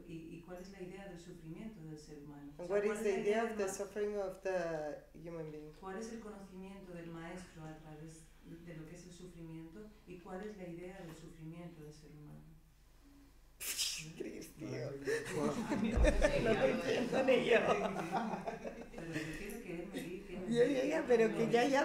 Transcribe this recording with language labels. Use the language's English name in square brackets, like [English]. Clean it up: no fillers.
[Spanish] ¿Y cuál es la idea del sufrimiento del ser humano? [English] And what is the idea of the suffering of the human being? [Spanish] ¿Cuál es el conocimiento del maestro a través de lo que es el sufrimiento? ¿Y cuál es la idea del sufrimiento del ser humano? Cristo. No lo entiendo ni yo.